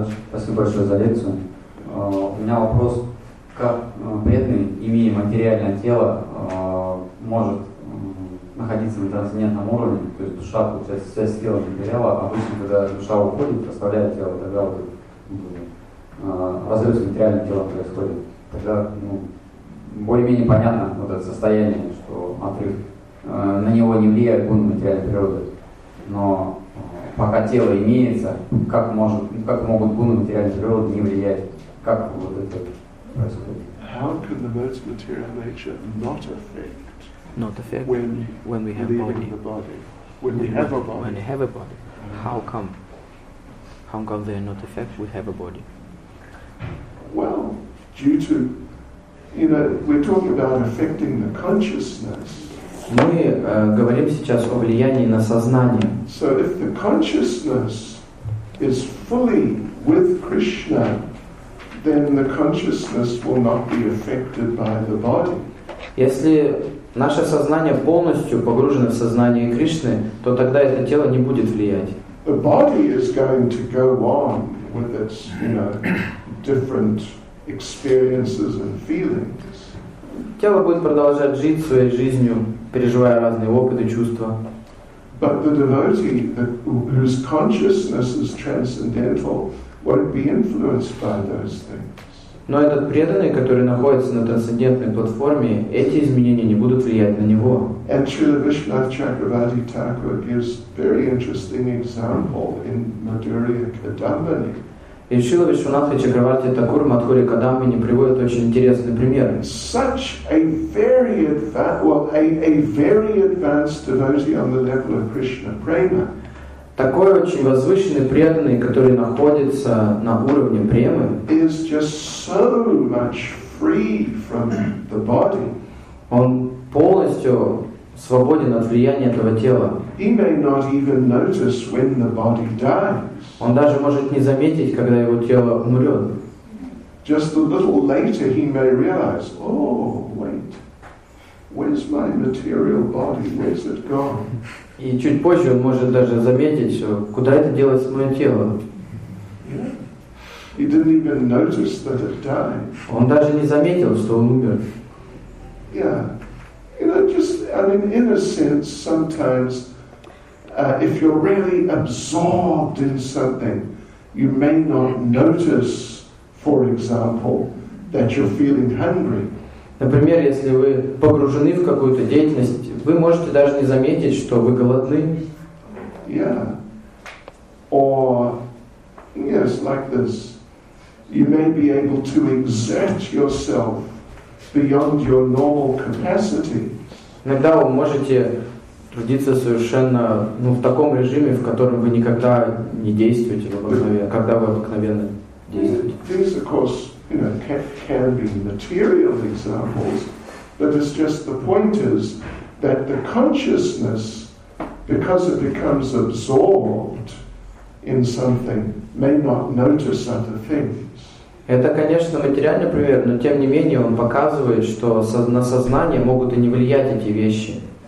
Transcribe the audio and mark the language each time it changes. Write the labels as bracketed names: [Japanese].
[Russian] Спасибо большое за лекцию. У меня вопрос, как преданный, имея материальное тело, может находиться на трансцендентном уровне, то есть душа, связь с телом потеряла, обычно, когда душа уходит, оставляет тело, тогда вот разрыв с материальным телом происходит. Тогда более-менее понятно вот это состояние, что отрыв на него не влияет гуна материальной природы. Но пока тело имеется, как могут гуны материальной природы не влиять? Как вот это происходит? [English] How can the modes of material nature not affect, not affect when we have body? The body? When we have a body. When we have a body. How come? How come they not affect we have a body? Well, due to, you know, we're talking about affecting the consciousness. [Russian] Мы говорим сейчас о влиянии на сознание. [English] So if the consciousness is fully with Krishna, then the consciousness will not be affected by the body. [Russian] Если наше сознание полностью погружено в сознание Кришны, то тогда это тело не будет влиять. [English] The body is going to go on with its, you know, different experiences and feelings. [Russian] Тело будет продолжать жить своей жизнью, переживая разные опыты, чувства. [English] But the devotee, whose consciousness is transcendental, won't be influenced by those things. [Russian] Но этот преданный, который находится на трансцендентной платформе, эти изменения не будут влиять на него. [English] And Srila Vishnath Chakravarti Thakur gives very interesting example in Madhurya Kadambini. [Russian] И Шрила Вишванатха Чакраварти Такур Мадхури Кадамбини приводит очень интересный пример. [English] Such a very advanced, well, a very advanced devotee on the level of Krishna Prema. [Russian] Такой очень возвышенный преданный, который находится на уровне премы, [English] is just so much free from the body. [Russian] Он полностью свободен от влияния этого тела. [English] He may not even notice when the body dies. [Russian] Он даже может не заметить, когда его тело умрет. [English] Just a little later he may realize, oh, wait, where's my material body? Where's it gone? [Russian] И чуть позже он может даже заметить, куда это делось мое тело. [English] He didn't even notice that it died. [Russian] Он даже не заметил, что он умер. [English] Yeah. You know, just, I mean, in a sense, sometimes, if you're really absorbed in something, you may not notice, for example, that you're feeling hungry. [Russian] Например, если вы погружены в какую-то деятельность, вы можете даже не заметить, что вы голодны. [English] Yeah. Or, yes, like this. You may be able to exert yourself beyond your normal capacity. [Russian] Иногда вы можете трудиться совершенно, ну, в таком режиме, в котором вы никогда не действуете обыкновенно, когда вы обыкновенно действуете. [English] These, of course, you know, can be material examples, but it's just the point is that the consciousness, because it becomes absorbed in something, may not notice other things. [Russian] Это, конечно, материальный пример, но тем не менее он показывает, что на сознание могут и не влиять эти вещи.